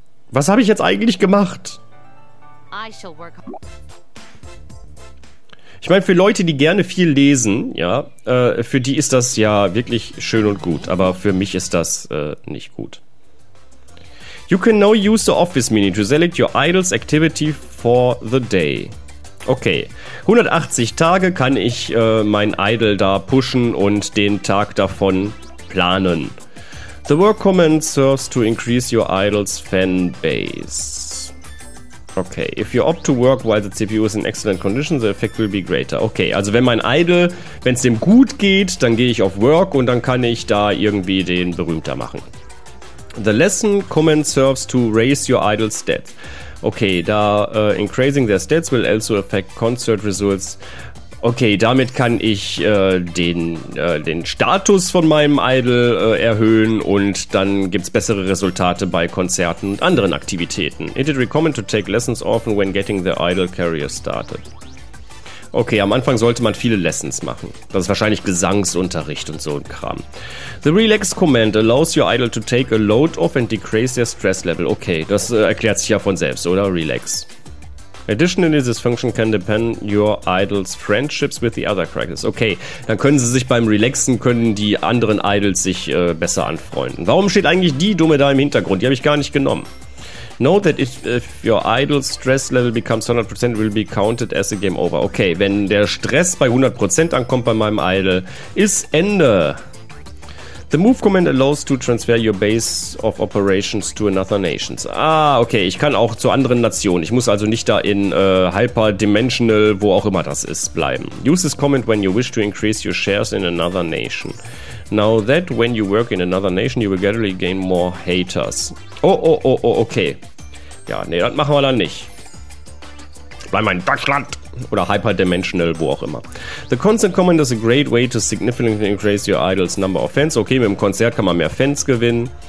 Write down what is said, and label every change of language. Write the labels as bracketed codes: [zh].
[de] Was habe ich jetzt eigentlich gemacht? Ich meine, für Leute, die gerne viel lesen, ja, für die ist das ja wirklich schön und gut. Aber für mich ist das nicht gut. [en] You can now use the office menu to select your idol's activity for the day. [de] Okay, 180 Tage kann ich mein Idol da pushen und den Tag davon planen. [en] The work command serves to increase your idol's fan base. Okay, if you opt to work while the CPU is in excellent condition, the effect will be greater. [de] Okay, also wenn mein Idol, wenn es dem gut geht, dann gehe ich auf Work und dann kann ich da irgendwie den berühmter machen. [en] The lesson command serves to raise your idol's stats. Okay, da increasing their stats will also affect concert results. [de] Okay, damit kann ich den Status von meinem Idol erhöhen und dann gibt's bessere Resultate bei Konzerten und anderen Aktivitäten. [en] It is recommended to take lessons often when getting the Idol career started. [de] Okay, am Anfang sollte man viele Lessons machen. Das ist wahrscheinlich Gesangsunterricht und so ein Kram. [en] The Relax Command allows your idol to take a load off and decrease their stress level. [de] Okay, das erklärt sich ja von selbst, oder? [en] Relax. Additionally, this function can depend your idol's friendships with the other characters. [de] Okay, dann können sie sich beim Relaxen, können die anderen Idols sich besser anfreunden. Warum steht eigentlich die Dumme da im Hintergrund? Die habe ich gar nicht genommen. [en] Note that if your idol's stress level becomes 100%, it will be counted as a game over. [de] Okay, wenn der Stress bei 100% ankommt bei meinem Idol, ist Ende. [en] The move command allows to transfer your base of operations to another nation. [de] Ah, okay, ich kann auch zu anderen Nationen. Ich muss also nicht da in Hyperdimensional, wo auch immer das ist, bleiben. [en] Use this command when you wish to increase your shares in another nation. Now that when you work in another nation, you will gradually gain more haters. [de] Oh, okay. Ja, nee, das machen wir dann nicht. Bleib mal in Deutschland. Oder Hyperdimensional, wo auch immer. [en] The concert command is a great way to significantly increase your idol's number of fans. [de] Okay, mit dem Konzert kann man mehr Fans gewinnen.